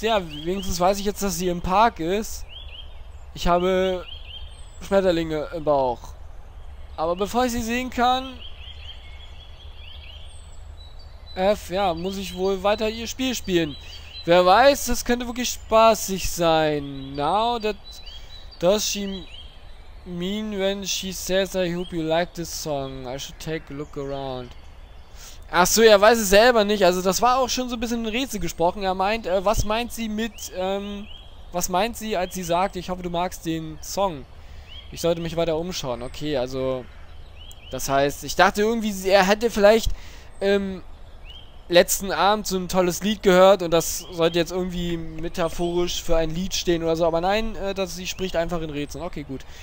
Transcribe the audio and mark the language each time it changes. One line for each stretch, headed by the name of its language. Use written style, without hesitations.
German: Ja, wenigstens weiß ich jetzt, dass sie im Park ist. Ich habe Schmetterlinge im Bauch. Aber bevor ich sie sehen kann, muss ich wohl weiter ihr Spiel spielen. Wer weiß, das könnte wirklich spaßig sein.
English: Now that does she mean when she says I hope you like this song. I should take a look around.
German: Achso, er weiß es selber nicht. Also das war auch schon so ein bisschen ein Rätsel gesprochen. Er meint, was meint sie mit was meint sie, als sie sagt, ich hoffe du magst den Song. Ich sollte mich weiter umschauen. Okay, also das heißt, ich dachte irgendwie, er hätte vielleicht letzten Abend so ein tolles Lied gehört und das sollte jetzt irgendwie metaphorisch für ein Lied stehen oder so. Aber nein, sie spricht einfach in Rätseln. Okay, gut.